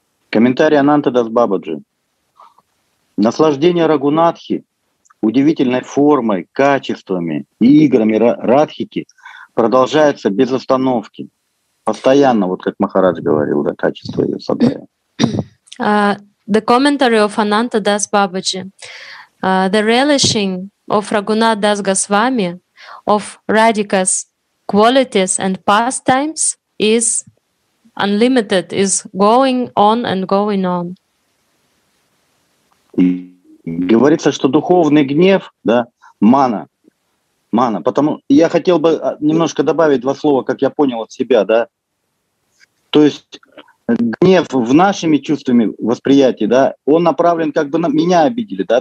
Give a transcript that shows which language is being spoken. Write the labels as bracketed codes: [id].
[ru] Комментарий Ананта Дас Бабаджи. Наслаждение Рагунатхи удивительной формой, качествами и играми Радхики продолжается без остановки. Постоянно, вот как Махарадж говорил, да, качество ее садая. [en] The commentary of Ananta Das Babaji. The relishing of Raghunath Das Goswami of Radhika's qualities and pastimes is unlimited, is going on and going on. [ru] Говорится, что духовный гнев, да, мана. Потому я хотел бы немножко добавить два слова, как я понял от себя, да. То есть гнев в нашими чувствами восприятия, да, он направлен как бы на меня обидели, да.